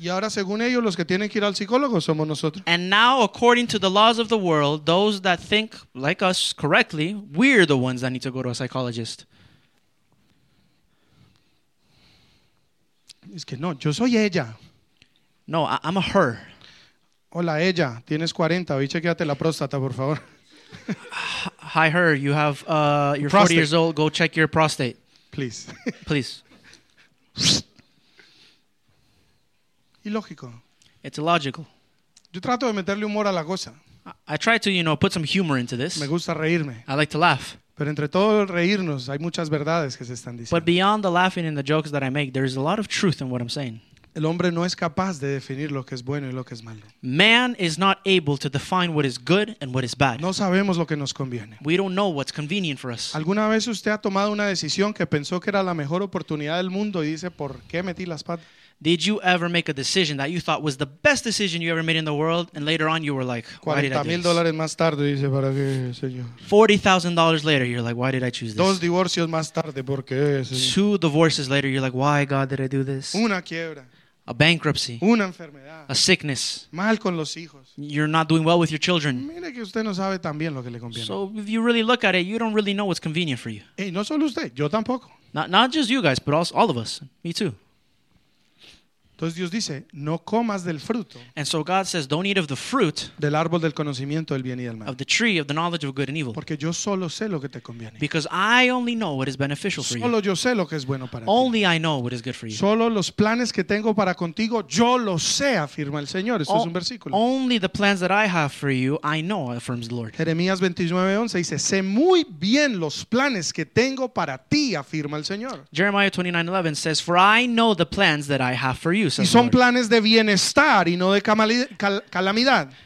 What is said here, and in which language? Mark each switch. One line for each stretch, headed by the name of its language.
Spanish: Y ahora según ellos los que tienen que ir al psicólogo somos nosotros.
English: And now according to the laws of the world, those that think like us correctly, we're the ones that need to go to a psychologist.
Spanish: Es que no, yo soy ella.
English: No, I'm a her.
Spanish: Hola ella, tienes 40, ve y chequéate la próstata, por favor.
English: Hi, her. You have you're prostate. 40 years old. Go check your prostate, please. Please.
Spanish: Ilógico.
English: It's illogical.
Spanish: Yo trato de meterle humor a la cosa.
English: I try to, you know, put some humor into this.
Spanish: Me gusta reírme.
English: I like to laugh.
Spanish: Pero entre todo el reírnos, hay muchas verdades que se están diciendo.
English: But beyond the laughing and the jokes that I make, there is a lot of truth in what I'm saying.
Spanish: El hombre no es capaz de definir lo que es bueno y lo que es malo.
English: Man is not able to define what is good and what is bad.
Spanish: No sabemos lo que nos conviene.
English: We don't know what's convenient for us.
Spanish: ¿Alguna vez usted ha tomado una decisión que pensó que era la mejor oportunidad del mundo y dice, ¿por qué metí las patas?
English: Did you ever make a decision that you thought was the best decision you ever made in the world, and later on you were like, why did I do this? $40,000 later, you're like, why did I choose this?
Spanish: Dos divorcios más tarde, ¿por qué, señor?
English: Two divorces later, you're like, why, God, did I do this?
Spanish: Una quiebra.
English: A bankruptcy.
Spanish: Una enfermedad.
English: A sickness.
Spanish: Mal con los hijos.
English: You're not doing well with your children.
Spanish: Mire que usted no sabe tan bien lo que le conviene.
English: So if you really look at it, you don't really know what's convenient for you.
Spanish: Hey, no solo usted, yo tampoco.
English: Not just you guys, but all of us. Me too.
Spanish: Entonces Dios dice, no comas del fruto.
English: And so God says, don't eat of the fruit
Spanish: del árbol del conocimiento del bien y del mal.
English: Of the tree of the knowledge of good and evil.
Spanish: Porque yo solo sé lo que te conviene.
English: Because I only know what is beneficial for you.
Spanish: Solo yo sé lo que es bueno para ti.
English: Only I know what is good for you.
Spanish: Solo los planes que tengo para contigo, yo lo sé, afirma el Señor. Esto es un versículo.
English: Only the plans that I have for you, I know, affirms the Lord.
Spanish: Jeremías 29:11 dice, sé muy bien los planes que tengo para ti, afirma el Señor.
English: Jeremiah 29:11 says, for I know the plans that I have for you.
Spanish: Y son planes de bienestar y no de calamidad.